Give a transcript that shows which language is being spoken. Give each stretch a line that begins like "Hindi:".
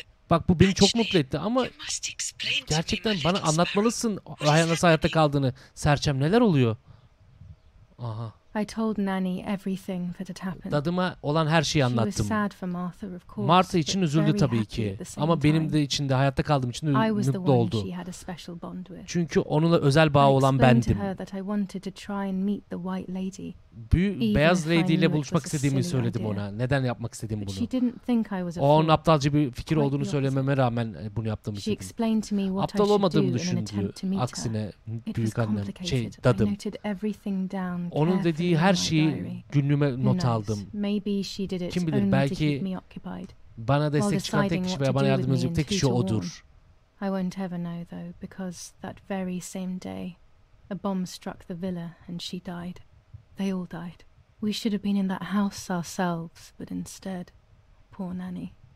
Turkish: Bak, bu beni çok mutlu etti ama gerçekten bana anlatmalısın nasıl hayatta kaldığını. Serçem, neler oluyor? Aha.
English: I told Nanny everything that had happened.
Turkish: Dadıma olan her şeyi anlattım.
English: She was sad for Martha, of course.
Turkish: Martha için üzüldü tabii ki. Ama benim de içinde hayatta kaldığım için mutlu oldu.
English: She had a special bond with.
Turkish: Çünkü onunla özel bağ olan bendim.
English: I explained to her that I wanted to try and meet the White Lady.
Turkish: Beyaz Lady ile buluşmak istediğimi söyledim ona. Neden yapmak istediğimi bunu.
English: She didn't think I was a fool.
Turkish: Onun aptalca bir fikir olduğunu söylememe rağmen bunu yaptığımı söyledi.
English: She explained to me what
Turkish: aptal olmadığımı düşündü. Aksine büyük annem, dadım. Onun dediği her şeyi günlüğüme not aldım. Kim bilir, belki bana destek çıkan tek kişi veya bana yardım edecek tek kişi odur.
English: I won't ever know though, because that very same day, a bomb struck the villa and she died. They all died. We should have been in that house ourselves, but instead, poor Nanny.